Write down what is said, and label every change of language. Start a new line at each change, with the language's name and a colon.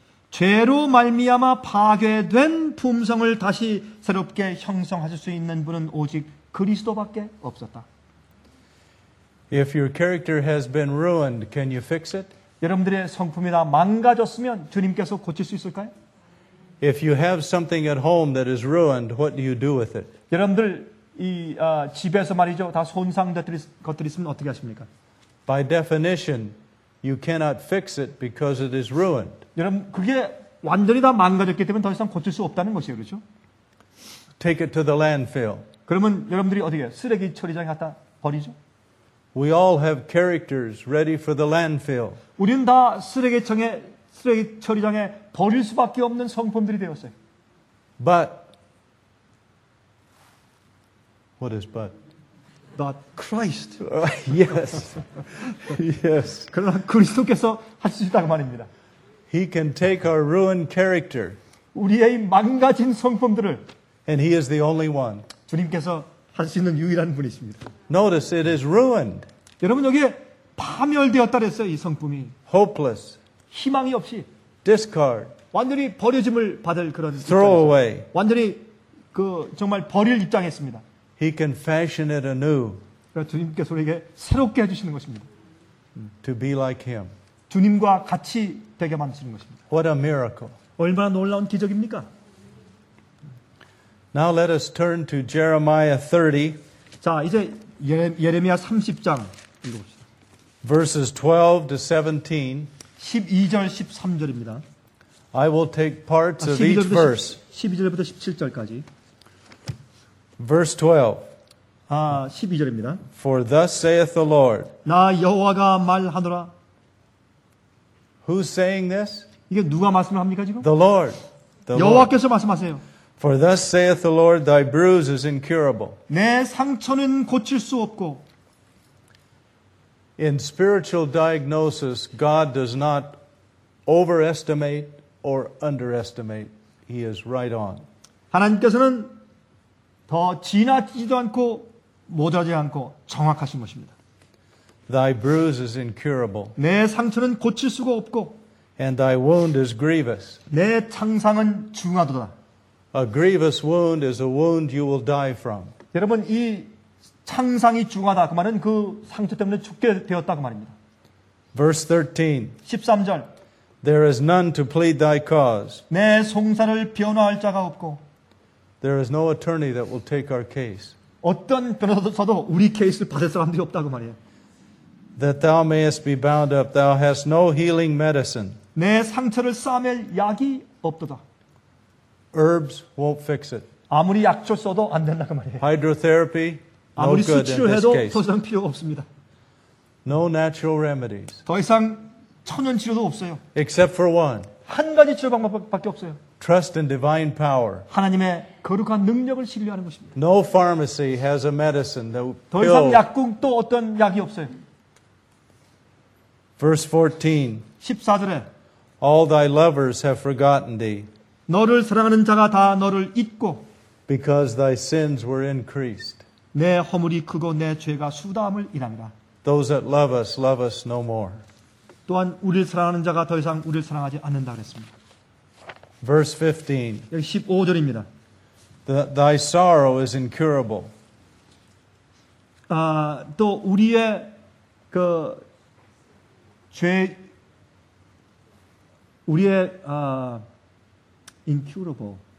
Korean: 죄로 말미암아 파괴된 품성을 다시 새롭게 형성하실 수 있는 분은 오직 그리스도밖에 없었다.
English: If your character has been ruined, can you fix it?
Korean: 여러분들의 성품이 다 망가졌으면 주님께서 고칠 수 있을까요?
English: If you have something at home that is ruined, what do you do with it?
Korean: 여러분들 이 집에서 말이죠. 다 손상된 것들이 있으면 어떻게 하십니까?
English: By definition, you cannot fix it because it is ruined.
Korean: 여러분, 그게 완전히 다 망가졌기 때문에 더 이상 고칠 수 없다는 것이에요. 그렇죠?
English: Take it to the landfill.
Korean: 그러면 여러분들이 어떻게 해요? 쓰레기 처리장에 갖다 버리죠?
English: We all have characters ready for the landfill.
Korean: 우리는 다 쓰레기 처리장에 버릴 수밖에 없는 성품들이 되었어요.
English: But what is but? But Christ. Yes. Yes.
Korean: 그러나 그리스도께서 하실 수 있다고 말입니다.
English: He can take our ruined character.
Korean: 우리의 망가진 성품들을.
English: And he is the only one.
Korean: 주님께서 할 수 있는 유일한 분이십니다.
English: Notice it is ruined.
Korean: 여러분 여기 파멸되었다 그랬어요, 이 성품이.
English: Hopeless.
Korean: 희망이 없이.
English: Discard.
Korean: 완전히 버려짐을 받을 그런
English: Throw away.
Korean: 완전히 그 정말 버릴 입장했습니다.
English: He can fashion it anew.
Korean: 주님께서 우리에게 새롭게 해 주시는 것입니다.
English: To be like him.
Korean: 주님과 같이 되게 만드시는 것입니다.
English: What a miracle.
Korean: 얼마나 놀라운 기적입니까?
English: Now let us turn to Jeremiah 30.
Korean: 자, 이제 예레미야 30장 읽어봅시다.
English: Verses 12 to 17.
Korean: 12절 13절입니다.
English: I will take parts of each verse.
Korean: 12절부터 17절까지.
English: Verse 12.
Korean: 아, 12절입니다.
English: For thus saith the Lord.
Korean: 나 여호와가 말하노라.
English: Who's saying this?
Korean: 이게 누가 말씀을 합니까 지금?
English: The Lord.
Korean: 여호와께서 말씀하세요.
English: For thus saith the Lord, thy bruise is incurable.
Korean: 내 상처는 고칠 수 없고.
English: In spiritual diagnosis, God does not overestimate or underestimate. He is right on.
Korean: 하나님께서는 더 지나치지도 않고 모자라지 않고 정확하신 것입니다.
English: Thy bruise is incurable.
Korean: 내 상처는 고칠 수가 없고.
English: And thy wound is grievous.
Korean: 내 창상은 중하도다.
English: A grievous wound is a wound you will die from.
Korean: 여러분 이 창상이 중하다 그 말은 그 상처 때문에 죽게 되었다 그 말입니다.
English: Verse 13.
Korean: 13절.
English: There is none to plead thy cause.
Korean: 내 송사를 변호할 자가 없고.
English: There is no attorney that will take our case.
Korean: 어떤 변호사도 우리 케이스를 받을 사람들이 없다 그 말이에요.
English: That thou mayest be bound up, thou hast no healing medicine.
Korean: 내 상처를 싸맬 약이 없도다.
English: Herbs won't fix it.
Korean: 아무리 약초 써도 안 된다 그 말이에요.
English: Hydrotherapy, no good in this case.
Korean: 더 이상 필요가 없습니다.
English: No natural remedies.
Korean: 더 이상 천연 치료도 없어요.
English: Except for one.
Korean: 한 가지 치료 방법밖에 없어요.
English: Trust in divine power.
Korean: 하나님의 거룩한 능력을 신뢰하는 것입니다.
English: No pharmacy has a medicine that will.
Korean: 더 이상 약국 또 어떤 약이 없어요.
English: Verse 14.
Korean: 14절에
English: All thy lovers have forgotten thee.
Korean: 너를 사랑하는 자가 다 너를 잊고.
English: Because thy sins were increased.
Korean: 내 허물이 크고 내 죄가 수다함을 인함이라.
English: Those that love us no more.
Korean: 또한 우리를 사랑하는 자가 더 이상 우리를 사랑하지 않는다 그랬습니다.
English: Verse 15.
Korean: 여기 15절입니다.
English: Thy sorrow is incurable.
Korean: 또 우리의 그 죄 우리의 incurable.